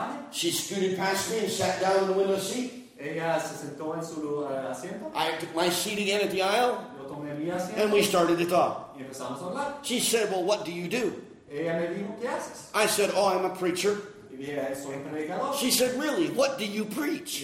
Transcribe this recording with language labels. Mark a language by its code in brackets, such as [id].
[en] She scooted past me and sat down in the window seat. [es] Ella se sentó en su asiento. [en] I took my seat again at the aisle. [es] Yo [en] And we started to talk. She said, well, what do you do? [es] Ella me dijo, ¿qué haces? [en] I said, oh, I'm a preacher. [es] Soy predicador. [en] She said, really, what do you preach?